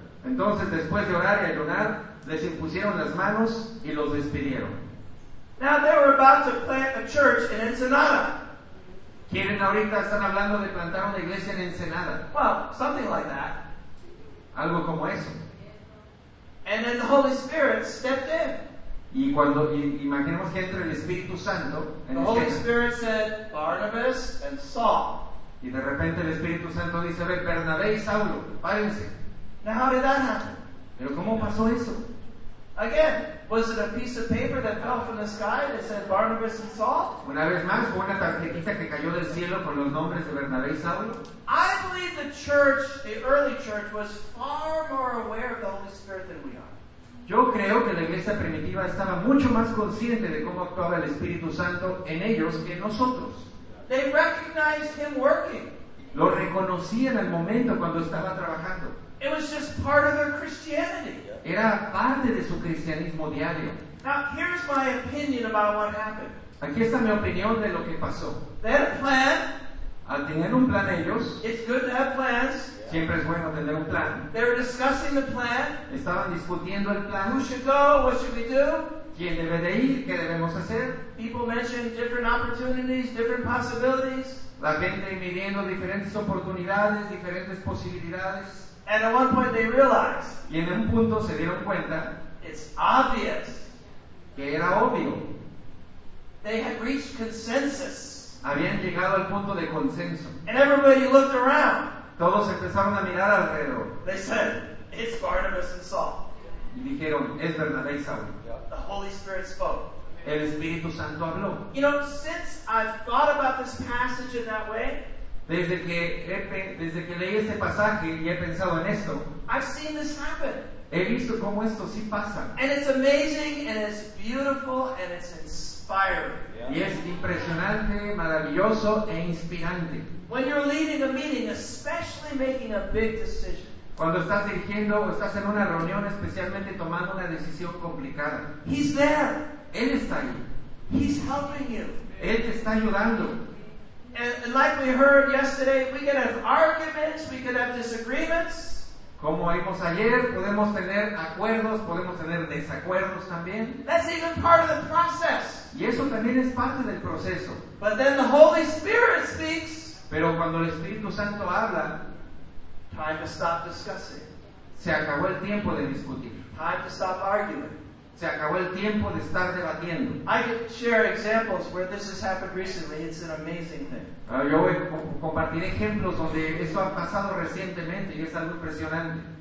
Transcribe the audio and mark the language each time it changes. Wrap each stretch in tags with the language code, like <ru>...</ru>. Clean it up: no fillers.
<es>Entonces, después de orar y ayunar, les impusieron las manos y los despidieron.</es> <en>Now they were about to plant a church in Ensenada.</en> <es>¿Quieren ahorita? Están hablando de plantar una iglesia en Ensenada.</es> <en>Well, something like that.</en> <es>Algo como eso.</es> <en>And then the Holy Spirit stepped in.</en> <es>Y cuando imaginemos que entra el Espíritu Santo,</es> <en>the Holy Spirit said, Barnabas and Saul.</en> <es>Y de repente el Espíritu Santo dice, a ver, Bernabé y Saulo, párense.</es> <en>Now how did that happen?</en> <es>Pero cómo pasó eso?</es> <en>Again, was it a piece of paper that fell from the sky that said Barnabas and Saul?</en> <es>Una vez más, fue una tarjetita que cayó del cielo con los nombres de Bernabé y Saulo.</es> <en>I believe the church, the early church, was far more aware of the Holy Spirit than we are.</en> <es>Yo creo que la iglesia primitiva estaba mucho más consciente de cómo actuaba el Espíritu Santo en ellos que en nosotros.</es> <en>They recognized him working.</en> <es>Lo reconocían al momento cuando estaba trabajando.</es> <en>It was just part of their Christianity.</en> <es>Era parte de su cristianismo diario.</es> <en>Now, here's my opinion about what happened.</en> <es>Aquí está mi opinión de lo que pasó.</es> <en>They had a plan.</en> <es>Al tener un plan ellos,</es> <en>it's good to have plans.</en> <es>Siempre es bueno tener un plan.</es> <en>They were discussing the plan.</en> <es>Estaban discutiendo el plan.</es> <en>Who should go? What should we do?</en> <es>¿Quién debe de ir? ¿Qué debemos hacer?</es> <en>People mentioned different opportunities, different possibilities.</en> <es>La gente midiendo diferentes oportunidades, diferentes posibilidades.</es> <en>And at one point they realized.</en> <es>Y en un punto se dieron cuenta.</es> <en>It's obvious.</en> <es>Que era obvio.</es> <en>They had reached consensus.</en> <es>Habían llegado al punto de consenso.</es> <en>And everybody looked around.</en> <es>Todos empezaron a mirar alrededor.</es> <en>They said, it's Barnabas and Saul.</en> <es>Y dijeron, es Bernabé y Saul.</es> <en>The Holy Spirit spoke.</en> <es>El Espíritu Santo habló.</es> <en>You know, since I've thought about this passage in that way,</en> <es>Desde que leí este pasaje y he pensado en esto,</es> <en>I've seen this happen.</en> <es>He visto cómo esto sí pasa.</es> <en>And it's amazing, and it's beautiful, and it's inspiring.</en> <es>Y es impresionante, maravilloso e inspirante.</es> <en>When you're leading a meeting, especially making a big decision.</en> <es>Cuando estás dirigiendo o estás en una reunión, especialmente tomando una decisión complicada.</es> <en>He's there.</en> <es>Él está ahí.</es> <en>He's helping you.</en> <es>Él te está ayudando.</es> <en>And like we heard yesterday, we can have arguments, we can have disagreements.</en> <es>Como vimos ayer, podemos tener acuerdos, podemos tener desacuerdos también.</es> <en>That's even part of the process.</en> <es>Y eso también es parte del proceso.</es> <en>But then the Holy Spirit speaks.</en> <es>Pero cuando el Espíritu Santo habla,</es> <en>time to stop discussing.</en> <es>Se acabó el tiempo de discutir.</es> <en>Time to stop arguing.</en> <es>Se acabó el tiempo de estar debatiendo.</es> <en>I can share examples where this has happened recently. It's an amazing thing.</en> <es>Yo voy a compartir ejemplos donde esto ha pasado recientemente y es algo impresionante.</es>